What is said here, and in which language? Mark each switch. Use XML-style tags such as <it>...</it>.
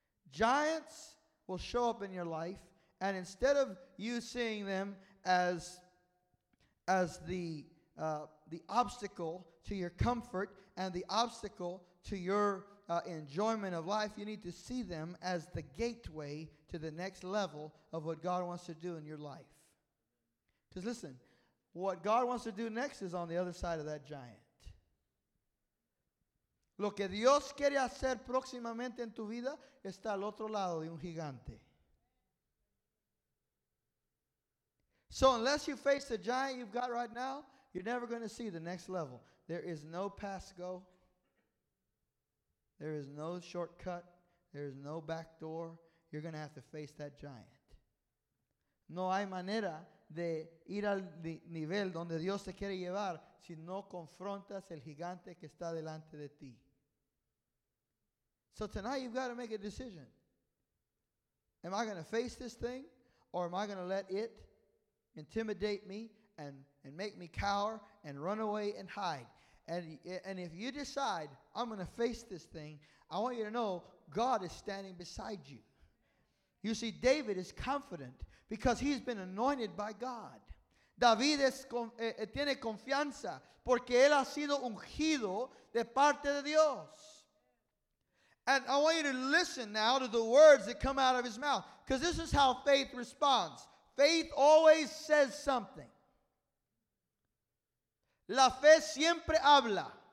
<en>Giants will show up in your life, and instead of you seeing them as the obstacle to your comfort and the obstacle to your enjoyment of life, you need to see them as the gateway to the next level of what God wants to do in your life. Because listen, what God wants to do next is on the other side of that giant.</en> <es>Lo que Dios quiere hacer próximamente en tu vida está al otro lado de un gigante.</es> <en>So unless you face the giant you've got right now, you're never going to see the next level. There is no pass go. There is no shortcut. There is no back door. You're going to have to face that giant.</en> <es>No hay manera de ir al nivel donde Dios te quiere llevar si no confrontas el gigante que está delante de ti.</es> <en>So tonight you've got to make a decision. Am I going to face this thing or am I going to let it intimidate me and make me cower and run away and hide. And if you decide, I'm going to face this thing, I want you to know God is standing beside you. You see, David is confident because he's been anointed by God.</en> <es>David tiene confianza porque él ha sido ungido de parte de Dios.</es> <en>And I want you to listen now to the words that come out of his mouth, because this is how faith responds. Faith always says something.</en> <es>La fe siempre habla.</es>